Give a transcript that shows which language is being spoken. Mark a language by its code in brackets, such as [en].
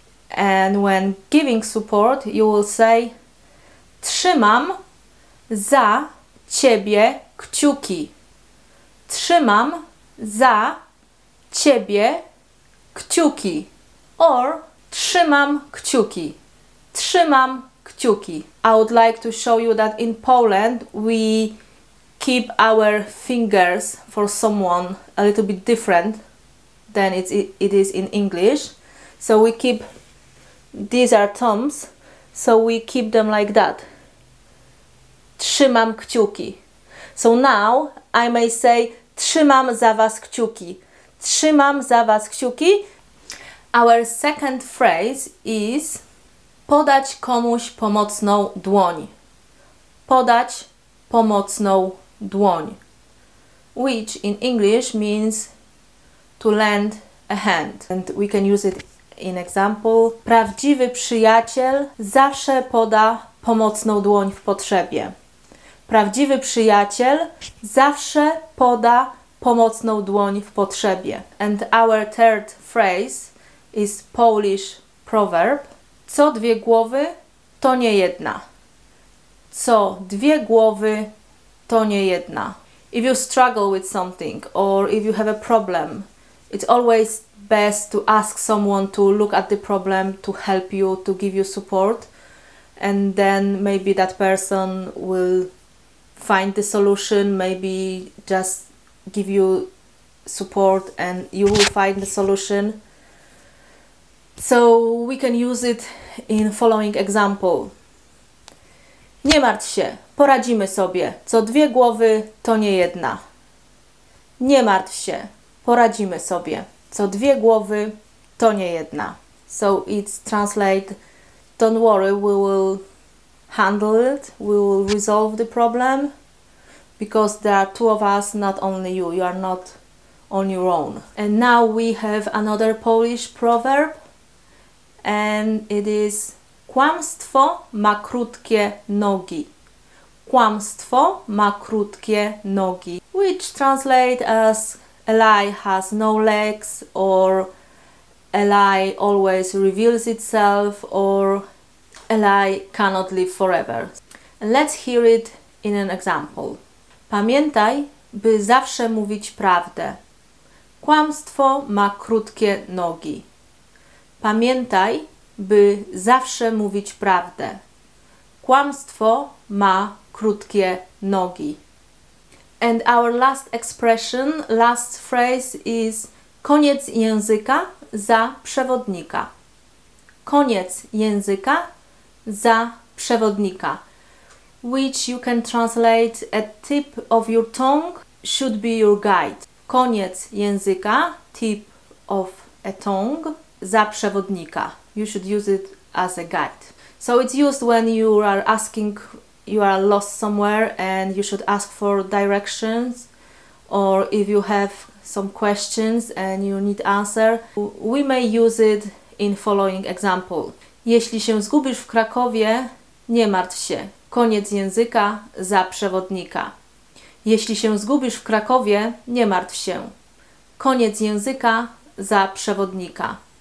[en] And when giving support, you will say [pl] trzymam za ciebie kciuki. Trzymam za ciebie kciuki, [en] or [pl] trzymam kciuki. Trzymam kciuki. [en] I would like to show you that in Poland we keep our fingers for someone a little bit different than it is in English. So we keep, these are thumbs, so we keep them like that. [pl] Trzymam kciuki. [en] So now I may say [pl] trzymam za was kciuki. Trzymam za was kciuki. [en] Our second phrase is [pl] podać komuś pomocną dłoń. Podać pomocną dłoń, [en] which in English means to lend a hand. And we can use it in example. [pl] Prawdziwy przyjaciel zawsze poda pomocną dłoń w potrzebie. Prawdziwy przyjaciel zawsze poda pomocną dłoń w potrzebie. [en] And our third phrase is Polish proverb. [pl] Co dwie głowy, to nie jedna. Co dwie głowy, to nie jedna. [en] If you struggle with something or if you have a problem, it's always best to ask someone to look at the problem, to help you, to give you support. And then maybe that person will find the solution, maybe just give you support and you will find the solution. So we can use it in following example. [pl] Nie martw się, poradzimy sobie. Co dwie głowy, to nie jedna. Nie martw się, poradzimy sobie. Co dwie głowy, to nie jedna. [en] So it's translate, don't worry, we will handle it, we will resolve the problem, because there are two of us, not only you. You are not on your own. And now we have another Polish proverb, and it is [pl] kłamstwo ma krótkie nogi. Kłamstwo ma krótkie nogi, [en] which translate as a lie has no legs, or a lie always reveals itself, or a lie cannot live forever. Let's hear it in an example. [pl] Pamiętaj, by zawsze mówić prawdę. Kłamstwo ma krótkie nogi. Pamiętaj, by zawsze mówić prawdę. Kłamstwo ma krótkie nogi. [en] And our last expression, last phrase is [pl] koniec języka za przewodnika. Koniec języka za przewodnika, [en] which you can translate a tip of your tongue should be your guide. [pl] Koniec języka, [en] tip of a tongue, [pl] za przewodnika. [en] You should use it as a guide. So it's used when you are asking, you are lost somewhere and you should ask for directions, or if you have some questions and you need answer. We may use it in following example. [pl] Jeśli się zgubisz w Krakowie, nie martw się. Koniec języka za przewodnika. Jeśli się zgubisz w Krakowie, nie martw się. Koniec języka za przewodnika.